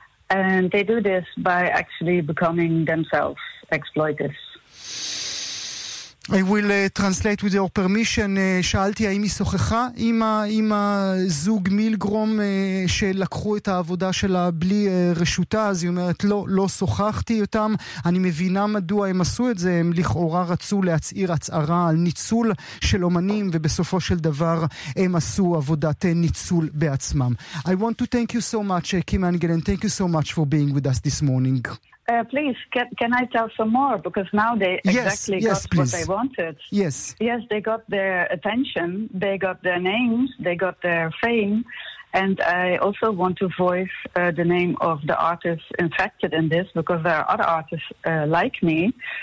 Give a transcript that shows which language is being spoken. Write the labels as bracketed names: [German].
[English] And they do this by actually becoming themselves exploitative. I will translate with your permission. [Hebrew] שאלתי האם היא שוחחה עם הזוג מילגרום שלקחו את העבודה שלה בלי רשותה, אז היא אומרת לא שוחחתי אותם. אני מבינה מדוע הם עשו את זה, הם לכאורה רצו להצעיר הצערה על ניצול של אומנים, ובסופו של דבר הם עשו עבודת ניצול בעצמם. [English] I want to thank you so much, Kim Engelen, thank you so much for being with us this morning. Please, can I tell some more? Because now they exactly got please. What they wanted. Yes. Yes, they got their attention. They got their names. They got their fame. And I also want to voice the name of the artist infected in this, because there are other artists like me.